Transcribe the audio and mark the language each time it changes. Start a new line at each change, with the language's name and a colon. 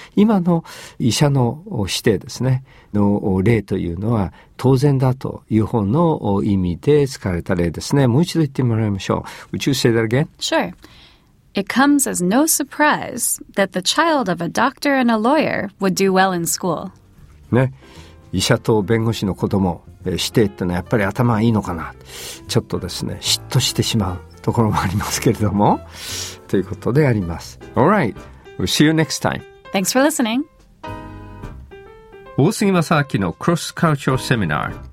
Japanese: 今の医者の指定ですねの例というのは当然だという方の意味で使われた例ですね。もう一度言ってもらいましょう。
English: Would you say that again? Sure. It comes as no surprise that the child of a doctor and a lawyer would do well in school.
Japanese: ね、医者と弁護士の子供指定ってのはやっぱり頭がいいのかな、ちょっとですね嫉妬してしまうところもありますけれども、ということであります。
English: All right. We'll see you next time. Thanks for listening.
Japanese: 大杉正明のクロスカルチャーセミナー。